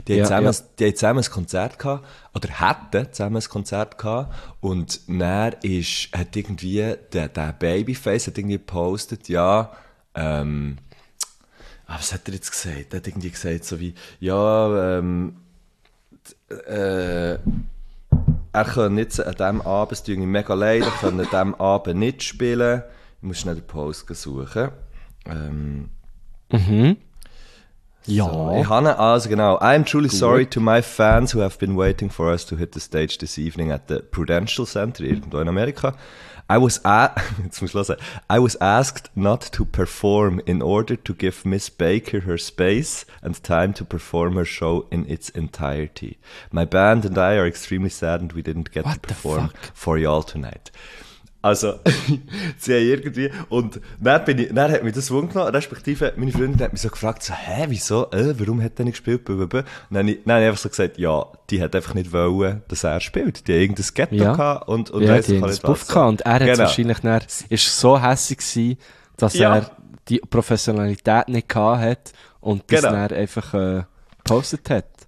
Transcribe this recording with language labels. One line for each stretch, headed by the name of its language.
German: Die hatten zusammen ein Konzert gehabt, oder hätten zusammen ein Konzert gehabt, und dann hat irgendwie der Babyface hat irgendwie gepostet, ja, was hat er jetzt gesagt? Er hat irgendwie gesagt, so wie, ja, er kann nicht an diesem Abend, es tut mir mega leid, er kann an diesem Abend nicht spielen. Ich muss schnell den Post suchen. Ja. Hanna, also genau.
English: I am truly sorry to my fans who have been waiting for us to hit the stage this evening at the Prudential Center
German: irgendwo in Amerika.
English: I was asked not to perform in order to give Miss Baker her space and time to perform her show in its entirety. My band and I are extremely saddened we didn't get to perform for y'all tonight.
German: Also, sie haben irgendwie, und dann hat mich das Wund genommen, respektive meine Freundin hat mich so gefragt, so, hä, wieso, warum hat er nicht gespielt? Und dann habe ich einfach so gesagt, ja, die hat einfach nicht wollen, dass er spielt. Die hat irgendein Ghetto gehabt und weiss ich nicht was. Ja, und er hat wahrscheinlich dann, ist so hässig gewesen, dass er die Professionalität nicht gehabt hat und das dann einfach gepostet hat.